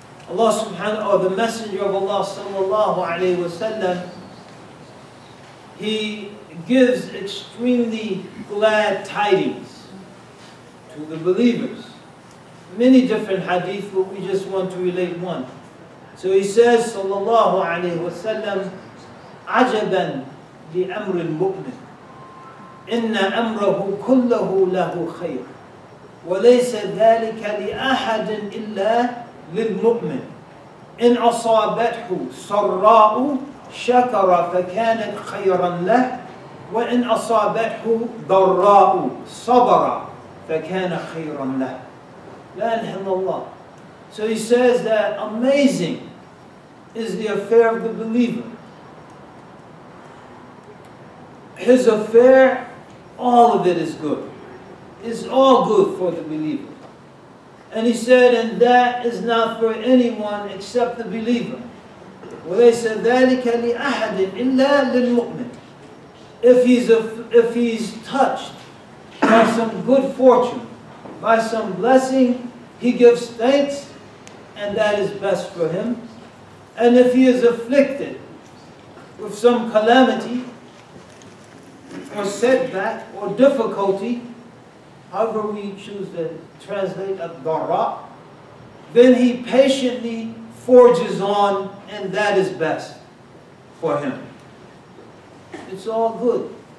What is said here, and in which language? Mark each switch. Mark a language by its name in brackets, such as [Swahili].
[English] Allah subhanahu wa ta'ala, the Messenger of Allah sallallahu alayhi wa sallam, he gives extremely glad tidings to the believers. Many different hadith, but we just want to relate one. So he says [Arabic] sallallahu alayhi wa sallam, عَجَبًا لِأَمْرِ الْمُؤْمِنِ إِنَّ أَمْرَهُ كُلَّهُ لَهُ خَيْرٌ وَلَيْسَ ذَلِكَ لِأَحَدٍ إِلَّا لِلْمُؤْمِنِ إِنْ أَصَابَتْهُ سَرَّاءُ شَكَرَ فَكَانَتْ خَيْرًا لَهُ وَإِنْ أَصَابَتْهُ ضَرَّاءُ صَبَرَ فَكَانَ خَيْرًا لَهُ لَا إِلْحَمَ اللَّهُ. [English] So he says that amazing is the affair of the believer. His affair, all of it is good. It's all good for the believer. And he said, and that is not for anyone except the believer. [Arabic] وليس ذلك لأحد إلا للمؤمن. [English] If he's touched by some good fortune, by some blessing, he gives thanks, and that is best for him. And if he is afflicted with some calamity, or setback, or difficulty, however we choose to translate a dara, then he patiently forges on, and that is best for him. It's all good.